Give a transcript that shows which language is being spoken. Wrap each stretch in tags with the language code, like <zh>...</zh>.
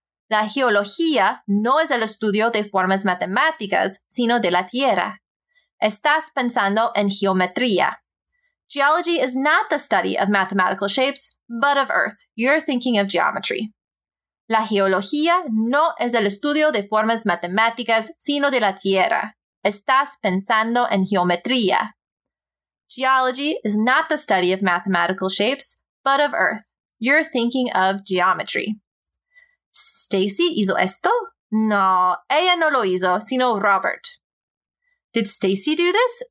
<es>La geología no es el estudio de formas matemáticas, sino de la tierra. Estás pensando en geometría.</es> <en>Geology is not the study of mathematical shapes, but of Earth. You're thinking of geometry.</en> <es>La geología no es el estudio de formas matemáticas, sino de la tierra. Estás pensando en geometría.</es> <en>Geology is not the study of mathematical shapes, but of Earth. You're thinking of geometry.</en> <es>Stacy hizo esto? No, ella no lo hizo, sino Robert.</es> <en>Did Stacy do this?</en>